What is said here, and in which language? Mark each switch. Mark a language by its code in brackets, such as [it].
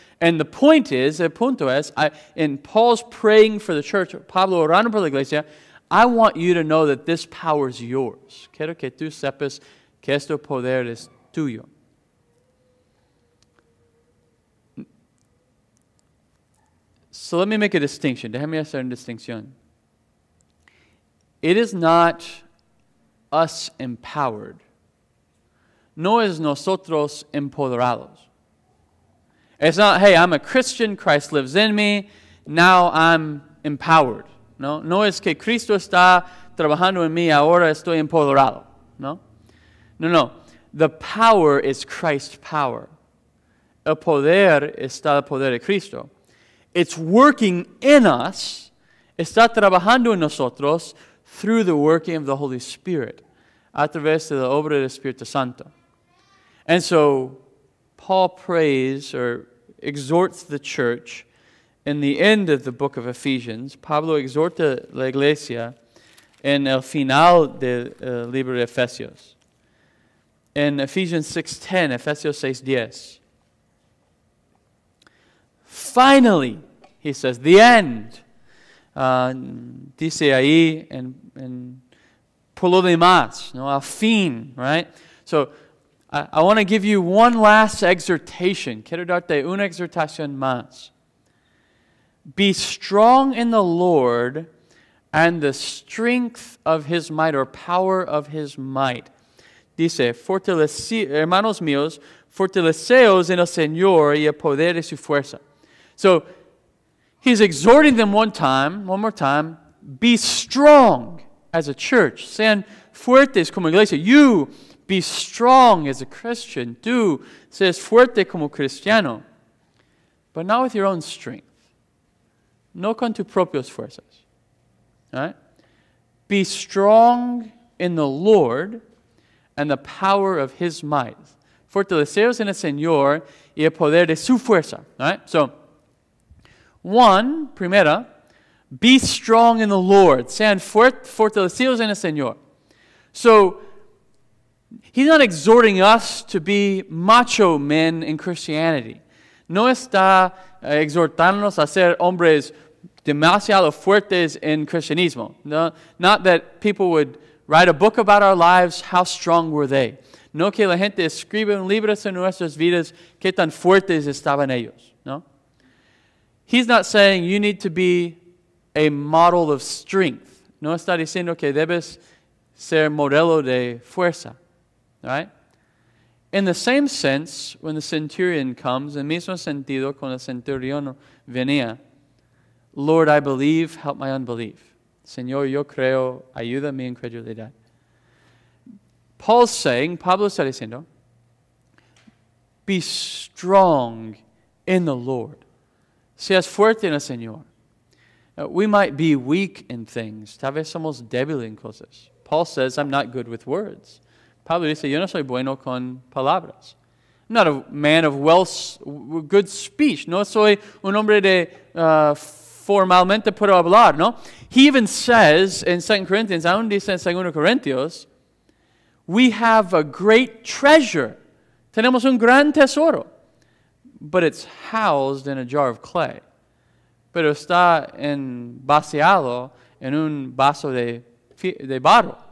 [en] And the point is, [es] el punto es, [en] in Paul's praying for the church, [es] Pablo orando por la iglesia, [en] I want you to know that this power is yours. [es] Quiero que tú sepas que este poder es tuyo. [en] So, let me make a distinction. [es] Déjame hacer una distinción. [en] It is not us empowered. [es] No es nosotros empoderados. [en] It's not, hey, I'm a Christian, Christ lives in me, now I'm empowered. [es] No, no es que Cristo está trabajando en mí, ahora estoy empoderado. [en] No, no, no. The power is Christ's power. [es] El poder está el poder de Cristo. [en] It's working in us, [es] está trabajando en nosotros [en] through the working of the Holy Spirit, [es] a través de la obra del Espíritu Santo. [en] And so, Paul prays or exhorts the church in the end of the book of Ephesians. [es] Pablo exhorta la iglesia en el final del libro de Efesios. [en] In Ephesians 6:10, Efesios 6:10. Finally, he says, the end. [es] Dice ahí en por lo demás, no, al fin, right? So, [en] I want to give you one last exhortation. [es] Quiero darte una exhortación más. [en] Be strong in the Lord and the strength of his might, or power of his might. [es] Dice, hermanos míos, fortaleceos en el Señor y el poder de su fuerza. [en] So, he's exhorting them one more time, be strong as a church. [es] Sean fuertes como iglesia. [en] You be strong as a Christian. [es] Tú seas fuerte como cristiano. [en] But not with your own strength. [es] No con tus propias fuerzas. [en] All right? Be strong in the Lord and the power of his might. [es] Fortaleceos en el Señor y el poder de su fuerza. [en] All right? So, one, primera, be strong in the Lord. [es] Sean fortalecidos en el Señor. [en] So, he's not exhorting us to be macho men in Christianity. [es] No está exhortándonos a ser hombres demasiado fuertes en cristianismo. [en] No, not that people would write a book about our lives, how strong were they. [es] No que la gente escriba un libro en nuestras vidas, qué tan fuertes estaban ellos. [en] No. He's not saying you need to be a model of strength. [es] No está diciendo que debes ser modelo de fuerza. [en] Right? In the same sense, when the centurion comes, [es] en mismo sentido, cuando el centurión venía, [en] Lord, I believe, help my unbelief. [es] Señor, yo creo, ayuda mi incredulidad. [en] Paul's saying, [es] Pablo está diciendo, [en] be strong in the Lord. [es] Seas fuerte en el Señor. [en] We might be weak in things. [es] Tal vez somos débiles en cosas. [en] Paul says, I'm not good with words. [es] Pablo dice, yo no soy bueno con palabras. [en] I'm not a man of good speech. [es] No soy un hombre de formalmente puedo hablar, ¿no? [en] He even says in 2 Corinthians, [es] aún dice en 2 Corinthians, [en] we have a great treasure. [es] Tenemos un gran tesoro. [en] But it's housed in a jar of clay. [es] Pero está en vaciado en un vaso de barro.